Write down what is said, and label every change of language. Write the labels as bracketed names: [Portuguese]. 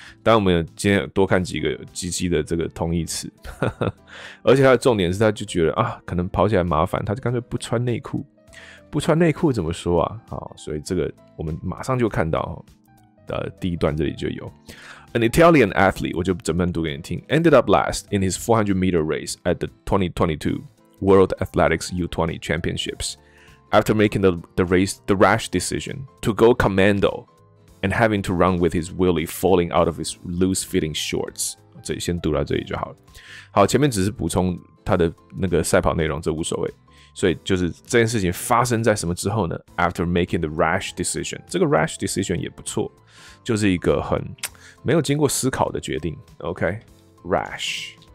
[Chinese] 当然我们今天多看几个鸡鸡的这个同义词。而且他的重点是他就觉得啊，可能跑起来麻烦，他就干脆不穿内裤。不穿内裤怎么说啊？好，所以这个我们马上就看到的第一段这里就有。 [English] An Italian athlete, [Chinese] 我就整段读给你听, [English] ended up last in his 400 meter race at the 2022 World Athletics U20 Championships after making the rash decision to go commando and having to run with his willy falling out of his loose fitting shorts. [Chinese] 这里先读到这里就好了。好，前面只是补充他的那个赛跑内容，这无所谓。所以就是这件事情发生在什么之后呢？ [English] After making the rash decision, [Chinese] 这个 rash decision 也不错，就是一个很没有经过思考的决定。 [English] OK, rash.